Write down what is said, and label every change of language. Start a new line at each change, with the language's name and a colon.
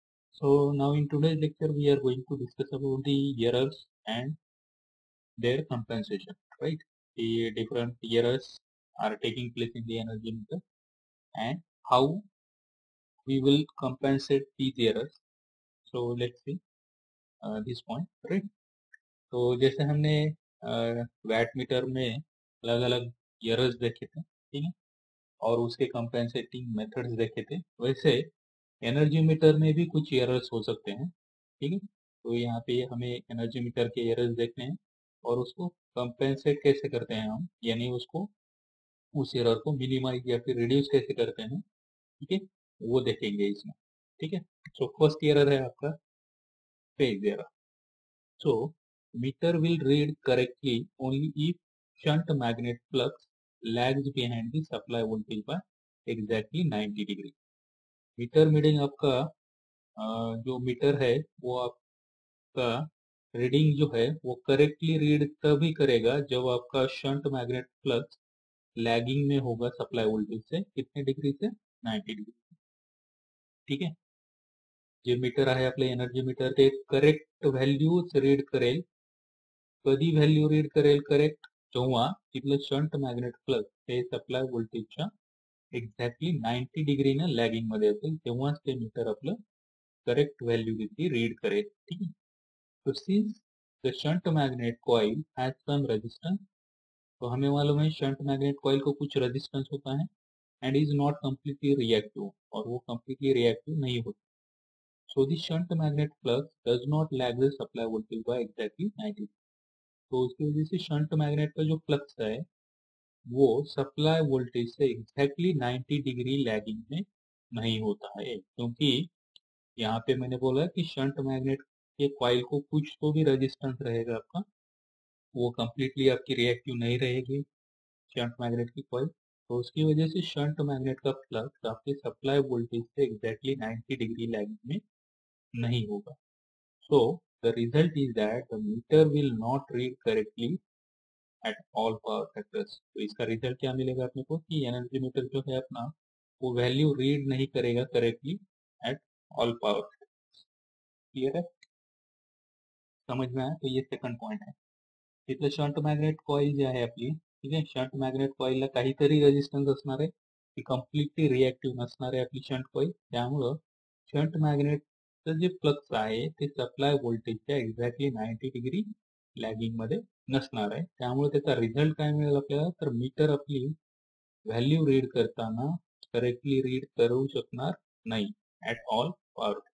English: So now in today's lecture we are going to discuss about the errors and their compensation, right? The different errors are taking place in the energy meter and how we will compensate these errors. So let's see this point, right?
Hindi: So जैसे हमने VAT metre में अलग अलग errors देखे थे, ठीक है, और उसके कंपेंसेटिंग मेथड्स देखे थे, वैसे एनर्जी मीटर में भी कुछ एरर्स हो सकते हैं, ठीक है। तो यहाँ पे हमें एनर्जी मीटर के एरर्स देखने हैं और उसको कंपेंसेट कैसे करते हैं हम, यानी उसको उस एरर को मिनिमाइज या फिर रिड्यूस कैसे करते हैं, ठीक है, वो देखेंगे इसमें, ठीक है। सो फर्स्ट एरर है आपका phase error.
English: So meter will read correctly only if shunt magnet flux lags behind the supply voltage by exactly 90 degree.
Hindi: Meter reading आपका जो मीटर है वो आपका रीडिंग जो है वो करेक्टली रीड तभी करेगा जब आपका शंट मैग्नेट फ्लक्स लैगिंग में होगा सप्लाई वोल्टेज से, कितने डिग्री से, 90 डिग्री, ठीक है।
Marathi: जो मीटर है आपले एनर्जी मीटर ते करेक्ट वैल्यू रीड करेल, कधी वैल्यू रीड करेल करेक्ट, जेव्हा तिथलं शंट मॅग्नेट फ्लक्स हे सप्लाय व्होल्टेजच्या एक्झॅक्टली 90 डिग्री ना लॅगिंग मध्ये असेल तेव्हाच ते मीटर आपलं करेक्ट व्हॅल्यू किती रीड करेल, ठीक आहे।
English: so since the shunt magnet coil has some resistance,
Hindi: तो हमें मालूम है शंट मैग्नेट कॉइल को कुछ रेजिस्टेंस होता है
English: and is not completely reactive,
Hindi: और वो कम्प्लीटली रिएक्टिव नहीं होता।
English: so this shunt magnet flux does not lag the supply voltage by exactly 90 degree,
Hindi: तो उसकी वजह से शंट मैग्नेट का जो फ्लक्स है वो सप्लाई वोल्टेज से एग्जैक्टली 90 डिग्री लैगिंग में नहीं होता है, क्योंकि यहाँ पे मैंने बोला कि शंट मैग्नेट के कॉइल को कुछ तो भी रेजिस्टेंस रहेगा आपका, वो कम्प्लीटली आपकी रिएक्टिव नहीं रहेगी शंट मैग्नेट की कॉइल, तो उसकी वजह से शंट मैग्नेट का फ्लक्स आपके सप्लाई वोल्टेज से एग्जैक्टली 90 डिग्री लैगिंग में नहीं होगा।
English: So the result is that the meter will not read correctly at all power factors.
Hindi: तो इसका रिजल्ट क्या मिलेगा अपने को कि एनर्जी मीटर जो है अपना वो वैल्यू रीड नहीं करेगा correctly at all power factors. Clear है, समझ में आया? तो ये सेकंड पॉइंट है,
Marathi: तिथलं शंट मॅग्नेट कॉइल जे आहे आपली, ठीक आहे, शंट मॅग्नेट कॉइलला काहीतरी रेजिस्टन्स असणार आहे, ती कम्प्लीटली रिएक्टिव्ह नसणार आहे आपली शंट कॉइल, त्यामुळं शंट मॅग्नेटचं जे फ्लक्स आहे ते सप्लाय व्होल्टेजच्या एक्झॅक्टली 90 डिग्री लॅगिंग मध्ये नसणार आहे, त्यामुळे त्याचा रिझल्ट काय मिळेल आपल्याला, तर मीटर आपली व्हॅल्यू रीड करताना करेक्टली रीड करू शकणार नाही ऍट ऑल पॉवर।